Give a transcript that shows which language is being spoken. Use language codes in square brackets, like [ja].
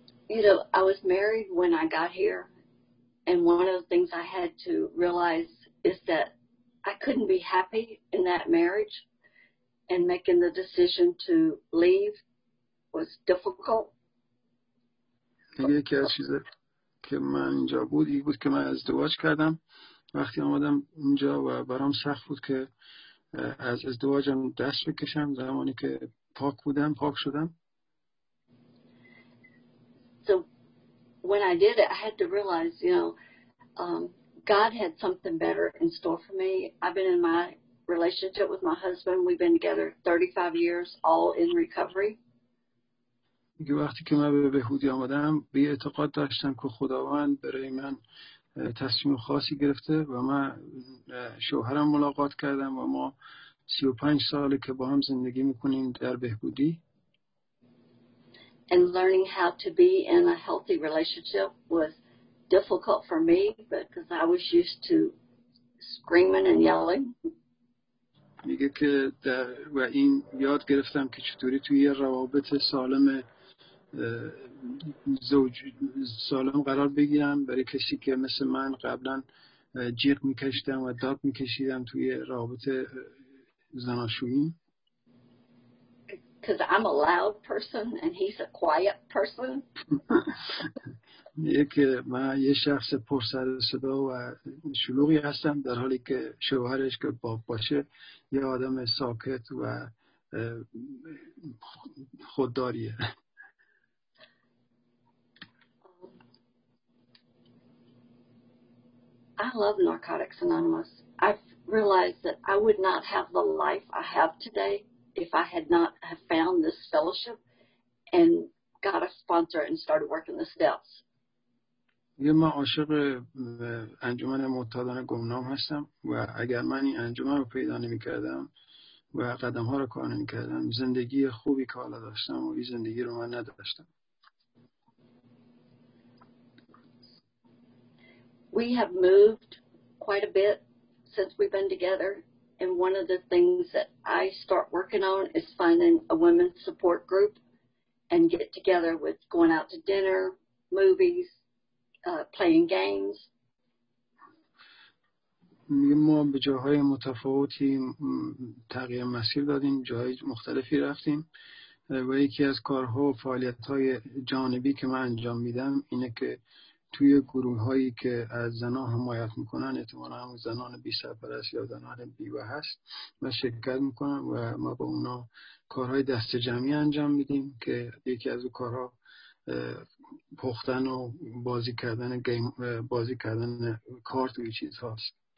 [en] You know, I was married when I got here and one of the things I had to realize is that I couldn't be happy in that marriage, and making the decision to leave was difficult. [fa] یکی از چیزه که من اینجا بود این بود که من ازدواج کردم وقتی آمدم اینجا و برام سخت بود که از ازدواجم دست بکشم زمانی که پاک بودم پاک شدم. [en] So when I did it, I had to realize, you know, God had something better in store for me. I've been in my relationship with my husband. We've been together 35 years, all in recovery. [fa] یه وقتی که من به بهودی آمدم به اعتقاد داشتم که خداوند برای من تصمیم خاصی گرفته و من شوهرم ملاقات کردم و ما 35 سال که با هم زندگی میکنیم در بهبودی. [en] And learning how to be in a healthy relationship was difficult for me because I was used to screaming and yelling. [fa] میگه که در و این یاد گرفتم که چطوری توی یه روابط سالم زوج سالم قرار بگیرم برای کسی که مثل من قبلا جیغ میکشتم و داد میکشیدم توی رابطه زناشویی. [en] Because I'm a loud person and he's a quiet person. [fa] یک من یه شخص پر سر صدا و شلوغی هستم در حالی که شوهرش که باب باشه یه آدم ساکت و خودداریه. [en] I love Narcotics Anonymous. I've realized that I would not have the life I have today if I had not have found this fellowship and got a sponsor and started working the steps. [fa] یه من عاشق انجمن معتادان گمنام هستم و اگر من این انجمن رو پیدا نمی‌کردم و قدم‌ها رو کار نمی‌کردم زندگی خوبی که حالا داشتم و این زندگی رو من نداشتم. [en] We have moved quite a bit since we've been together, and one of the things that I start working on is finding a women's support group and get together with going out to dinner, movies, playing games. [fa] ما به جاهای متفاوتی تغییر مسیر دادیم، جاهای مختلفی رفتیم و یکی از کارها و فعالیت‌های جانبی که من انجام میدم اینه که توی گروه هایی که از زنان حمایت میکنن احتمالا هم زنان بی سرپرست یا زنان بیوه هست من شرکت میکنم و ما با اونا کارهای دست جمعی انجام میدیم که یکی از کارها پختن و بازی کردن گیم بازی کردن کارت و چیز هاست.